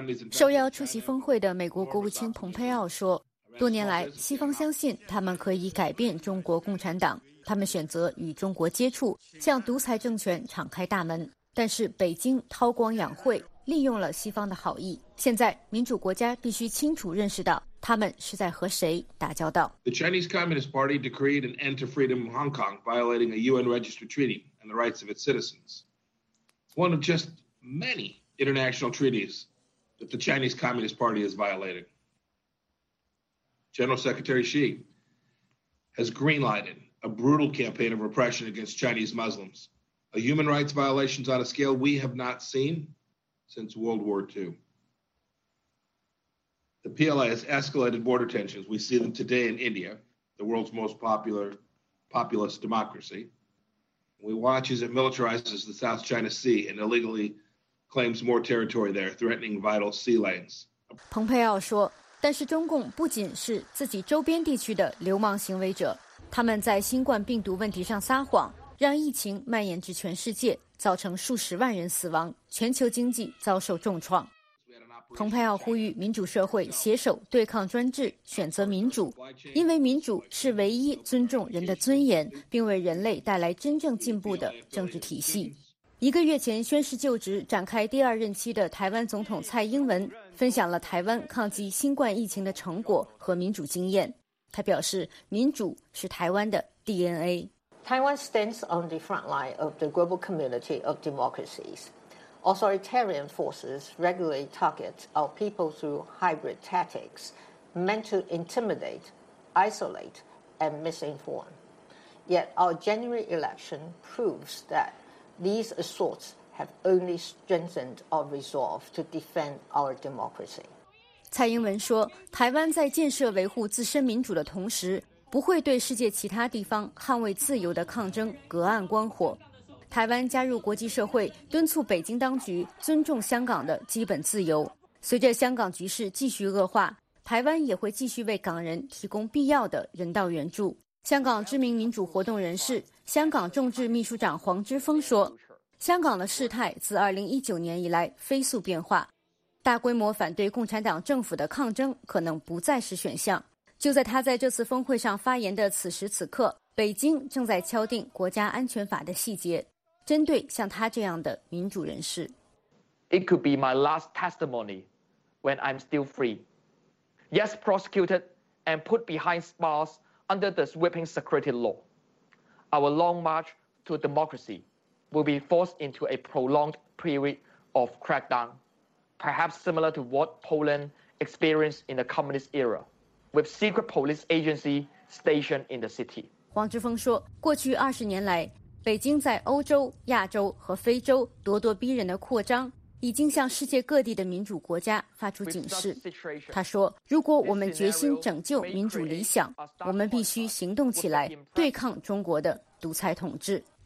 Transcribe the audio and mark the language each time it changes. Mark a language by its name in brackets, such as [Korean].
[Chinese] 受邀出席峰会的美国国务卿蓬佩奥说，多年来西方相信他们可以改变中国共产党，他们选择与中国接触，向独裁政权敞开大门，但是北京韬光养晦，利用了西方的好意，现在民主国家必须清楚认识到他们是在和谁打交道。 [English] The Chinese Communist Party decreed an end to freedom in Hong Kong, violating a UN registered treaty and the rights of its citizens. One of just many international treaties that the Chinese Communist Party has violated. General Secretary Xi has greenlighted a brutal campaign of repression against Chinese Muslims, a human rights violations on a scale we have not seen since World War II. The PLA has escalated border tensions. We see them today in India, the world's most populous democracy. We watch as it militarizes the South China Sea and illegally claims more territory there, threatening vital sea lanes. [Chinese] 蓬佩奥说，但是中共不仅是自己周边地区的流氓行为者，他们在新冠病毒问题上撒谎，让疫情蔓延至全世界，造成数十万人死亡，全球经济遭受重创。 [English] We [Chinese] 蓬佩奥呼吁民主社会携手对抗专制，选择民主，因为民主是唯一尊重人的尊严，并为人类带来真正进步的政治体系。一个月前宣誓就职展开第二任期的台湾总统蔡英文分享了台湾抗击新冠疫情的成果和民主经验。他表示，民主是台湾的 DNA。 [English] Taiwan stands on the front line of the global community of democracies. Authoritarian forces regularly target our people through hybrid tactics meant to intimidate, isolate, and misinform. Yet our January election proves that these assaults have only strengthened our resolve to defend our democracy. [Chinese] 蔡英文说，台湾在建设维护自身民主的同时，不会对世界其他地方捍卫自由的抗争隔岸观火。台湾加入国际社会，敦促北京当局尊重香港的基本自由。随着香港局势继续恶化，台湾也会继续为港人提供必要的人道援助。香港知名民主活动人士、香港政治秘书长黄之锋说，香港的事态自2019年以来飞速变化，大规模反对共产党政府的抗争可能不再是选项。就在他在这次峰会上发言的此时此刻，北京正在敲定国家安全法的细节，针对像他这样的民主人士。 [English] It could be my last testimony when I'm still free. Yes, prosecuted and put behind bars under the sweeping security law. Our long march to democracy will be forced into a prolonged period of crackdown. Perhaps similar to what Poland experienced in the communist era, with secret police agency stationed in the city. [Chinese] 黄之锋说，过去二十年来，北京在欧洲、亚洲和非洲咄咄逼人的扩张，已经向世界各地的民主国家发出警示。他说，如果我们决心拯救民主理想，我们必须行动起来，对抗中国的独裁统治。